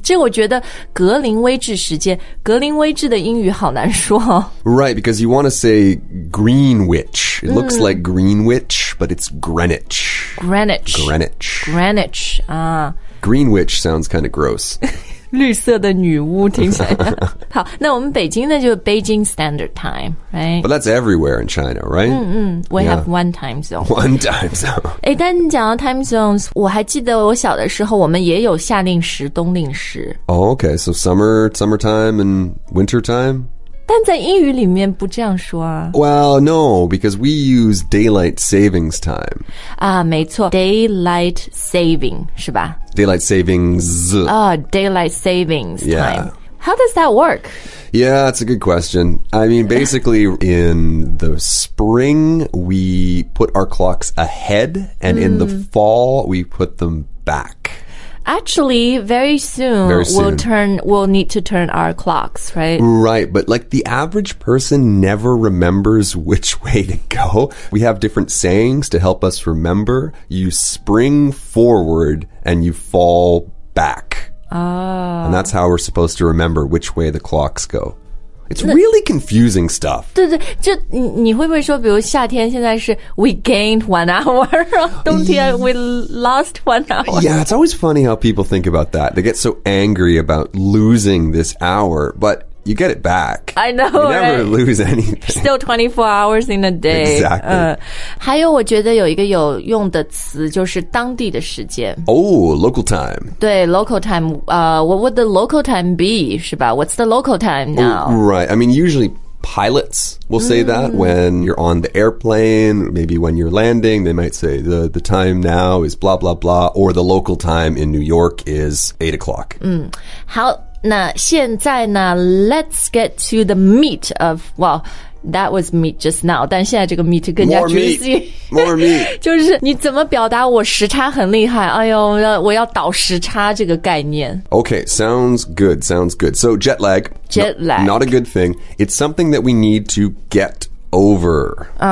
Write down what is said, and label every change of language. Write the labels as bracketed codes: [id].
[zh] 这我觉得格林威治时间，格林威治的英语好难说哦。 [en] Right, because you want to say Greenwich. It looks like Greenwich. Greenwich, but it's Greenwich. Greenwich. Greenwich. Greenwich. Greenwich sounds kind of gross. [zh] 绿色的女巫听起来好，那我们北京的就是 [en] Beijing Standard Time, right? But that's everywhere in China, right? 嗯嗯 we、yeah. have one time zone. One time zone. [zh] 诶，但你讲到 time zones, 我还记得我小的时候我们也有夏令时、冬令时。 [en] Oh, okay, so summertime and wintertime? [zh] 但在英语里面不这样说啊。 [en] Well, no, because we use daylight savings time. [zh] 啊、没错 daylight saving, 是吧 [en] Daylight savings. Daylight savings time. Yeah. How does that work? Yeah, that's a good question. I mean, basically, in the spring, we put our clocks ahead, and、mm. in the fall, we put them back. Actually, very soon, we'll need to turn our clocks, right? Right, but like the average person never remembers which way to go. We have different sayings to help us remember. You spring forward and you fall back. Oh. And that's how we're supposed to remember which way the clocks go. It's really confusing stuff. [zh] 对对就你会不会说比如夏天现在是 [en] we gained 1 hour, [zh] 冬天 [en] we lost 1 hour. Yeah, it's always funny how people think about that. They get so angry about losing this hour, but you get it back. I know, You never、 lose anything. Still 24 hours in a day. Exactly.、 [zh] 还有我觉得有一个有用的词就是当地的时间。 [en] Oh, local time. 对 local time.、what would the local time be? 是吧 What's the local time now?、 Oh, right. I mean, usually pilots will say、mm-hmm. that when you're on the airplane, maybe when you're landing, they might say the time now is blah, blah, blah, or the local time in New York is 8 o'clock.、 Mm. How... [zh] 那现在呢 [en] let's get to the meat of, well, that was meat just now, [zh] 但现在这个 [en] meat 更加 juicy. More meat. [zh] 就是你怎么表达我时差很厉害哎呦我要倒时差这个概念。 [en] Okay, sounds good. So jet lag. Not a good thing. It's something that we need to get over.